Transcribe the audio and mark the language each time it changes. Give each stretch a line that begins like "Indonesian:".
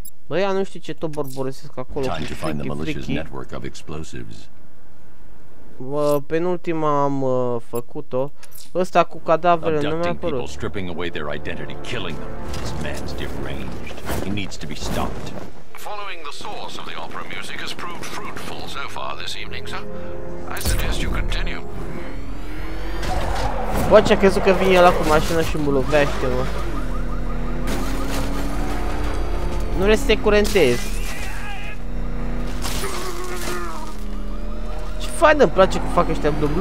Romanian: Băi, nu știu ce tot borborosesc acolo.
English: Time to find the militia's network of explosives.
Romanian: Penultima am făcut-o. Ăsta cu cadavrele nu mi-a părut.
English: People stripping away their identity, killing them. This man's deranged. He needs to be stopped. Following the source of the opera music has proved fruitful so far this evening, sir. I suggest you continue.
Romanian: Bă, ce-a crezut că vine ăla cu mașină și mă lovește, mă. Nu vreau să te curentez. Fain, îmi place cum fac ăștia.